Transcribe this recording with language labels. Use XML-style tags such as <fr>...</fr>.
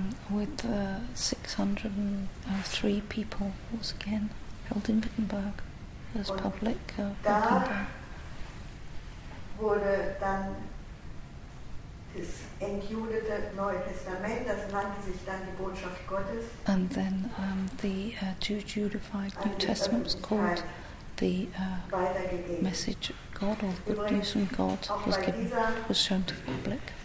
<en>With 603 people was again held in Wittenberg as public.</en> <de>Da wurde dann das endlich entjudete Neue Testament, das nannte sich dann die Botschaft Gottes.</de> <en>And then the Jew-Judified New Testament was called the Message of God, or the Good News from God, was given, was shown to the public.</en>